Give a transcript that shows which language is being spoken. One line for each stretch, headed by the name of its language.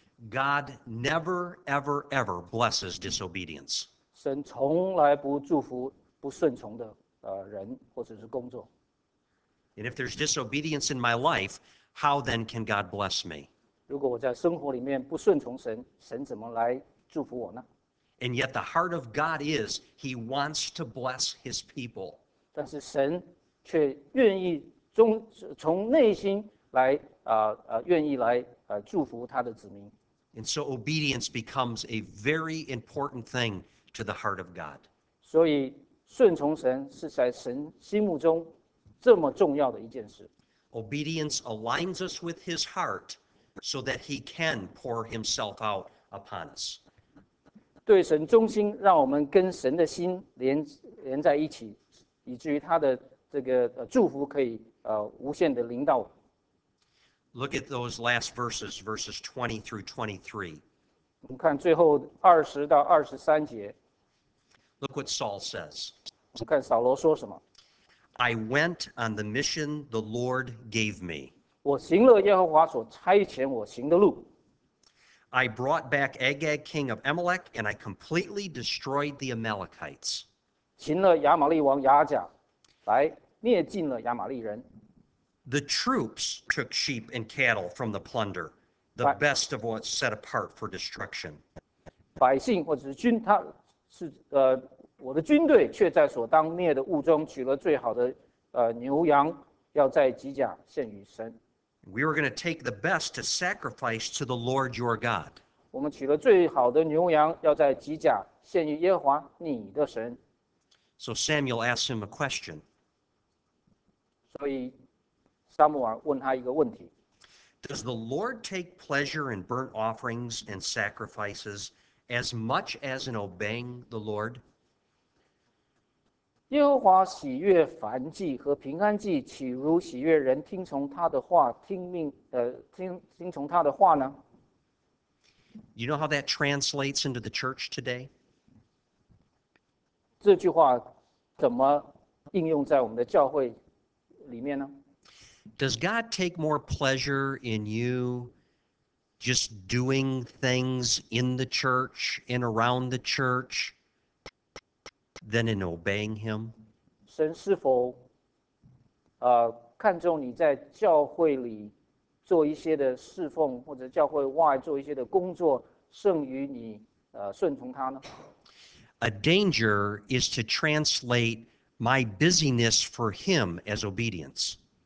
English: God never, ever, ever blesses disobedience.
Chinese: 神从来不祝福不顺从的人或者是工作。
English: And if there's disobedience in my life, how then can God bless me?
Chinese: 如果我在生活里面不顺从神，神怎么来祝福我呢？
English: And yet the heart of God is, He wants to bless His people.
Chinese: 但是神却愿意从内心来愿意来祝福他的子民。
English: And so obedience becomes a very important thing to the heart of God.
Chinese: 所以顺从神是在神心目中这么重要的一件事。
English: Obedience aligns us with His heart so that He can pour Himself out upon us.
Chinese: 对神忠心，让我们跟神的心 连在一起，以至于他的这个祝福可以无限的临到。
English: Look at those last verses, verses 20 through 23.
Chinese: 我们看最后二十到二十三节。
English: Look what Saul says.
Chinese: 我们看扫罗说什么。
English: I went on the mission the Lord gave me.
Chinese: 我行了耶和华所差遣我行的路。
English: I brought back Agag, king of Amalek, and I completely destroyed the Amalekites.
Chinese: 擒了亚玛力王亚甲，来灭尽了亚玛力人。
English: The troops took sheep and cattle from the plunder, the best of what's set apart for destruction.
Chinese: 百姓或者是军，他是我的军队却在所当灭的物中取了最好的牛羊，要在基甲献与神。
English: We were going to take the best to sacrifice to the Lord your God.
Chinese: 我们取了最好的牛羊，要在基甲献于耶和华你的神。
English: So Samuel asked him a question.
Chinese: 所以撒母耳问他一个问题。
English: Does the Lord take pleasure in burnt offerings and sacrifices as much as in obeying the Lord?
Chinese: 耶和华喜悦燔祭和平安祭，岂如喜悦人听从他的话，听命，听从他的话呢？
English: You know how that translates into the church today?
Chinese: 这句话怎么应用在我们的教会里面呢？
English: Does God take more pleasure in you just doing things in the church and around the church than in obeying Him?
Chinese: 神是否看重你在教会里做一些的侍奉，或者教会外做一些的工作，胜于你顺从他呢？
English: A danger is to translate my busyness for Him as obedience.